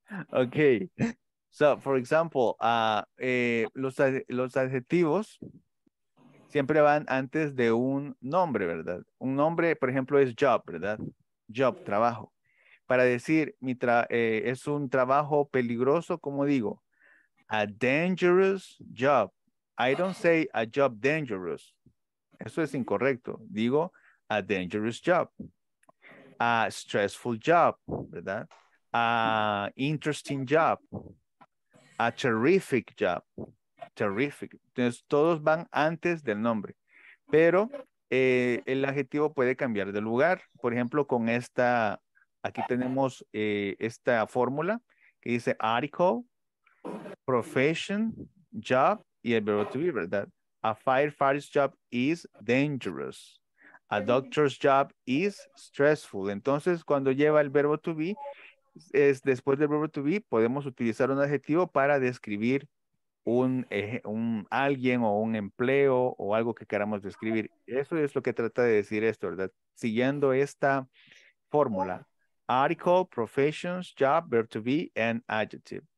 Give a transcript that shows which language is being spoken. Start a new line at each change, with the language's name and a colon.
English: Ok, so for example,
Spanish: los adjetivos siempre van antes de un nombre, ¿verdad? Un nombre, por ejemplo, es job, ¿verdad? Job, trabajo. Para decir, es un trabajo peligroso, ¿cómo digo?
English: A dangerous job. I don't say a job dangerous.
Spanish: Eso es incorrecto. Digo,
English: a dangerous job. A stressful job,
Spanish: ¿verdad?
English: A interesting job. A terrific job. Terrific.
Spanish: Entonces, todos van antes del nombre. Pero el adjetivo puede cambiar de lugar. Por ejemplo, con esta, aquí tenemos esta fórmula que dice article, profession, job y el verbo to be, ¿verdad?
English: A firefighter's job is dangerous. A doctor's job is stressful.
Spanish: Entonces, cuando lleva el verbo to be, es después del verbo to be, podemos utilizar un adjetivo para describir un alguien o un empleo o algo que queramos describir. Eso es lo que trata de decir esto, ¿verdad? Siguiendo esta fórmula.
English: Article, professions, job, verb to be, and adjective.